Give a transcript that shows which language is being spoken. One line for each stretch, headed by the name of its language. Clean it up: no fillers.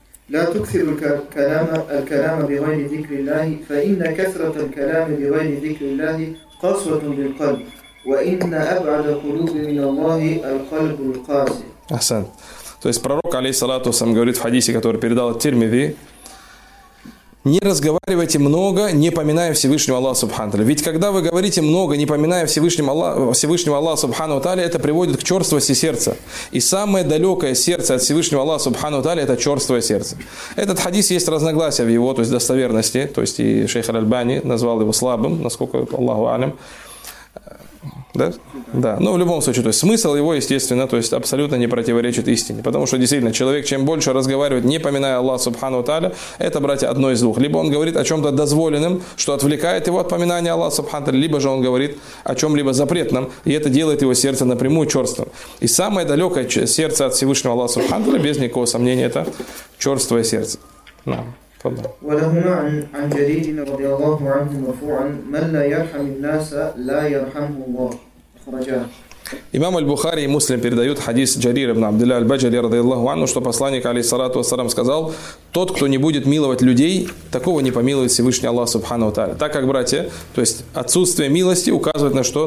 Arabic: لا تكثر الكلام بغير ذكر الله فإن كثرة الكلام بغير ذكر الله قسوة للقلب وإن أبعد القلوب من الله القلب القاسي. أحسن.
Russian: То есть пророк, алейхиссалату ассалям, говорит в хадисе, который передал Тирмизи: не разговаривайте много, не поминая Всевышнего Аллаха Субхану Тааля. Ведь когда вы говорите много, не поминая Всевышнего Аллаха Субхану Тааля, это приводит к черствости сердца. И самое далекое сердце от Всевышнего Аллаха Субхану Тааля – это черствое сердце. Этот хадис, есть разногласия в его, то есть достоверности. То есть и шейх Аль-Альбани назвал его слабым, насколько Аллаху алям. Да? Да. Но в любом случае, то есть смысл его, естественно, то есть абсолютно не противоречит истине. Потому что действительно, человек, чем больше разговаривает, не поминая Аллаха Субхану Тааля, это, братья, одно из двух. Либо он говорит о чем-то дозволенном, что отвлекает его от поминания Аллаха Субхану Тааля, либо же он говорит о чем-либо запретном, и это делает его сердце напрямую черствым. И самое далекое сердце от Всевышнего Аллаха Субхану Тааля, без никакого сомнения, это черствое сердце. Да.
Arabic: ولهما عن جرير رضي الله عنه مرفوعا من لا يرحم الناس لا يرحمه الله أخرجاه.
Russian: Имам Аль-Бухари и Муслим передают хадис Джарира ибн Абдилля Аль-Баджари, радиаллаху анну, что посланник, алейхиссалату ассалям, сказал: тот, кто не будет миловать людей, такого не помилует Всевышний Аллах, субхану ва тааля. Так как, братья, то есть отсутствие милости указывает на что?